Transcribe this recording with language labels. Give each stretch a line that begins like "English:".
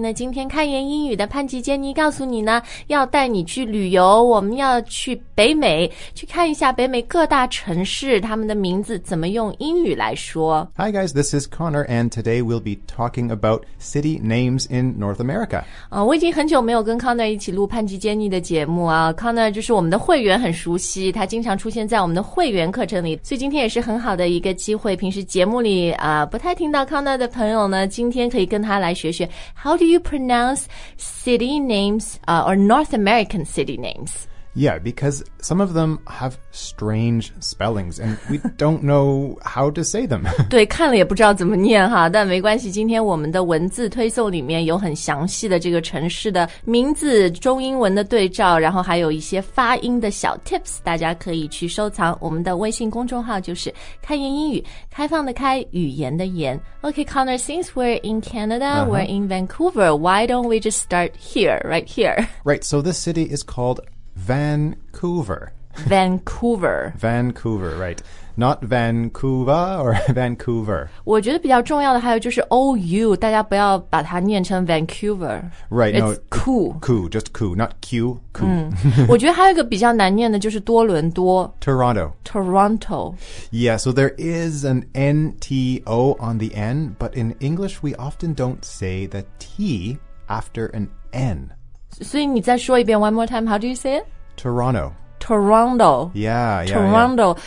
Chinese: 那今天开言英语的潘吉 Jenny 告诉你呢，要带你去旅游，我们要去北美，去看一下北美各大城市，他们的名字怎么用英语来说。
English: Hi guys, this is Connor, and today we'll be talking about city names in North America.
Chinese: 我已经很久没有跟 Connor 一起录潘吉 Jenny 的节目啊。 Connor 就是我们的会员，很熟悉，他经常出现在我们的会员课程里，所以今天也是很好的一个机会，平时节目里不太听到 Connor 的朋友呢，今天可以跟他来学学
English: How do you pronounce city names, or North American city names? Yeah, because some of them have strange spellings and we don't know how to say them.
Chinese: 对，看了也不知道怎么念哈，但没关系，今天我们的文字推送里面有很详细的这个城市的名字，中英文的对照，然后还有一些发音的小 tips, 大家可以去收藏。我们的微信公众号就是开言英语，开放的开，语言的言。
English: Okay, Connor, since we're in Canada,、uh-huh. we're in Vancouver, why don't we just start here, right here? Right, so this city is called Vancouver. Vancouver. Vancouver, right. Not Vancouver or Vancouver.
Chinese: 我觉得比较重要的还有就是 OU, 大家不要把它念成 Vancouver.
English: Right, it's no. It's cool. Cool, just cool, not Q, cool.、
Chinese: 嗯、我觉得还有一个比较难念的就是多伦多。
English: Toronto. Toronto. Yeah, so there is an N-T-O on the N, but in English we often don't say the T after an N.
Chinese: 所以你再说一遍
English: one more time, how do you say it? Toronto. Toronto. Yeah, yeah, Toronto.